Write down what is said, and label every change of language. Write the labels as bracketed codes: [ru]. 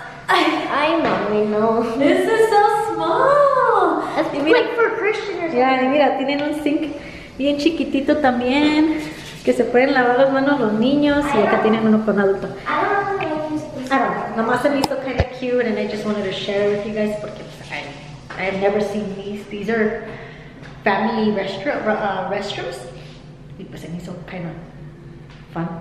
[es] Ay, mami, no. [en] This is so small. It's [es] mira, [en] like for Christian or something. [es] Yeah, y mira, tienen un sink bien chiquitito también, que se pueden lavar las manos los niños, y acá tienen uno con adulto. [en] I don't know. [es] Nomás se me hizo [en] kind of cute, and I just wanted to share with you guys, [es] porque [en] I've never seen these. These are family restrooms. [es] Y pues se me hizo [en] kind of fun.